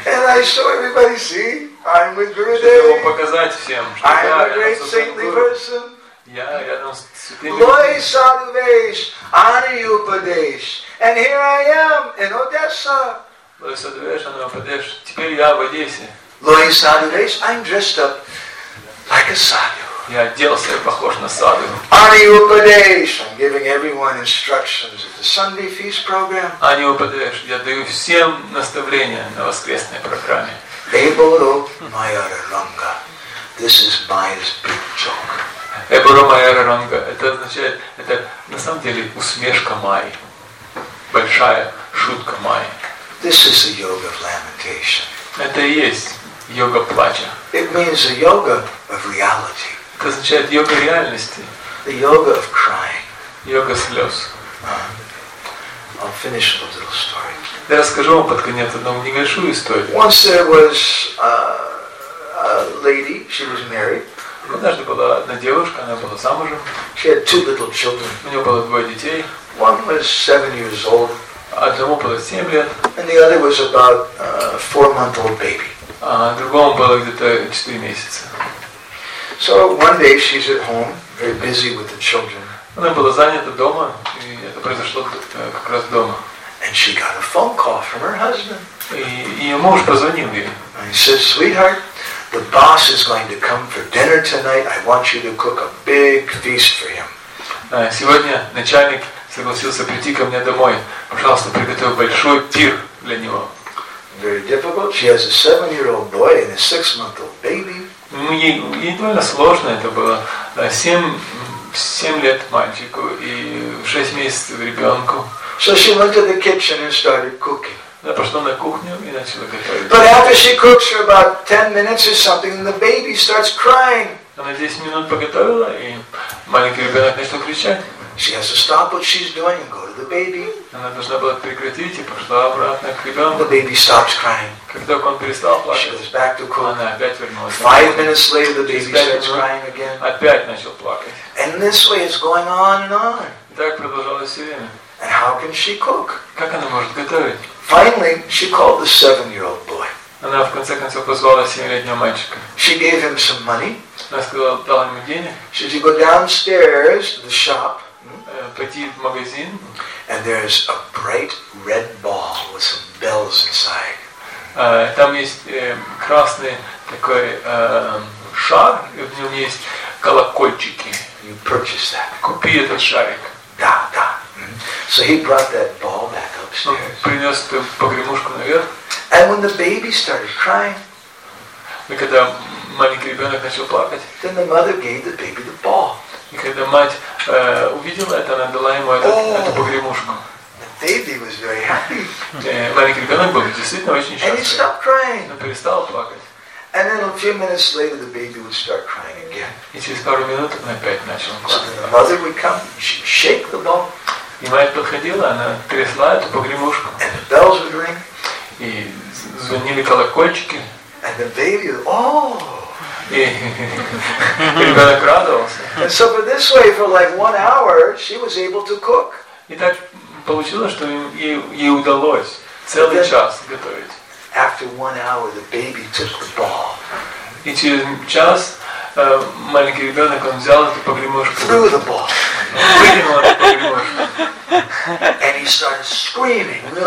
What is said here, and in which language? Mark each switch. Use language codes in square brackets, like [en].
[en] And I show everybody, see, I'm with Gurudev. [ru] Чтобы показать всем, что [en] I'm a great saintly person. [bn] Лой садвеш, ани упадеш, [en] and here I am in Odessa. [bn] Лой садвеш, ани упадеш. [ru] Теперь я в Одессе. [bn] Лой садвеш, [en] I'm dressed up like a sadhu. [ru] Я оделся и похож на садху. [bn] Ани упадеш, [en] I'm giving everyone instructions at the Sunday feast program. [bn] Ани упадеш, [ru] я даю всем наставления на воскресной программе. [bn] Эйбору майараранга, [en] this is my big joke. [bn] Эборо Майора Ранга, [ru] это означает, это на самом деле усмешка Майи, большая шутка Майи. [en] This is a yoga of lamentation. [ru] Это и есть йога плача. [en] It means a yoga of reality. [ru] Это означает йога реальности. [en] The yoga of crying. [ru] Йога слез. [en] I'll finish a little story. [ru] Я расскажу вам под конец одну небольшую историю. [en] Once there was a lady, she was married. [ru] Однажды была одна девушка, она была замужем. [en] She had two little children. [ru] У нее было двое детей. [en] One was 7 years old. [ru] Одному было 7 лет. [en] And the other was about a 4-month-old baby. [ru] А другому было где-то 4 месяца. [en] So one day she's at home, very busy with the children. [ru] Она была занята дома, и это произошло как раз дома. [en] And she got a phone call from her husband. [ru] И ее муж позвонил ей. [en] And he said, sweetheart, The boss is going to come for dinner tonight. I want you to cook a big feast for him. [ru] Сегодня начальник согласился прийти ко мне домой. Пожалуйста, приготовь большой пир для него. [en] Very difficult. She has a 7-year-old boy and a 6-month-old baby. [ru] Ей довольно сложно это было. 7 лет мальчику и 6 месяцев ребенку. [en] So she went to the kitchen and started cooking. [ru] Она пошла на кухню и начала готовить. [en] But after she cooks for about 10 minutes or something, the baby starts crying. [ru] Она 10 минут поготовила, и маленький ребенок начал кричать. [en] She has to stop what she's doing and go to the baby. [ru] Она должна была прекратить и пошла обратно к ребенку. [en] The baby stops crying. [ru] Как только он перестал плакать, [en] she goes back to cook. [ru] Она опять вернулась. [en] 5 minutes later, the baby starts crying again. [ru] Опять начал плакать. [en] And this way it's going on and on. [ru] И так продолжалось все время. [en] And how can she cook? [ru] Как она может готовить? [en] Finally, she called the 7-year-old boy. [ru] Она в конце концов позвала 7-летнего мальчика. [en] She gave him some money. [ru] Она сказала, дала ему денег. [en] She said, go downstairs to the shop. [ru] Пойти в магазин. [en] And there's a bright red ball with some bells inside. [ru] Там есть красный такой шар, и в нем есть колокольчики. [en] You purchase that. [ru] Купи этот шарик. Да, да. [en] So he brought that ball back upstairs. [ru] Принес эту погремушку наверх. [en] And when the baby started crying, [ru] и когда маленький ребенок начал плакать, [en] then the mother gave the baby the ball. [ru] И когда мать увидела это, она дала ему эту погремушку. [en] The baby was very happy. [ru] Маленький ребенок был действительно очень счастлив. [en] And he stopped crying. [ru] Он перестал плакать. [en] And then a few minutes later, the baby would start crying again. [ru] И через пару минут он опять начал плакать. [en] So the mother would come, she'd shake the ball. [ru] И мать подходила, она трясла эту погремушку. [en] And the bells would ring. [ru] И звонили колокольчики. [en] And the baby, oh! [ru] И ребенок радовался. [en] And so for this way, for like 1 hour, she was able to cook. [ru] И так получилось, что ей удалось целый час готовить. [en] After 1 hour, the baby took the ball. [ru] И через час маленький ребенок, он взял эту погремушку. [en] Threw the ball. And he started screaming.